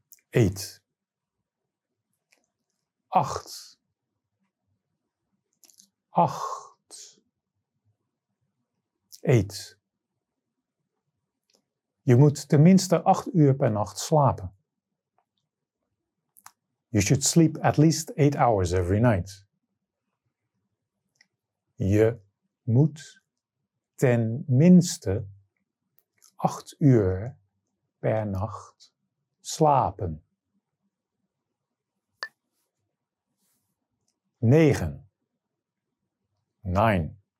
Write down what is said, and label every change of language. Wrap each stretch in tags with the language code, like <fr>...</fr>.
<nl>8. 8. 8. 8. Je moet tenminste 8 uur per nacht slapen.</nl> <en>You should sleep at least 8 hours every night.</en> <nl>Je moet tenminste 8 uur per nacht slapen. 9. 9.</nl>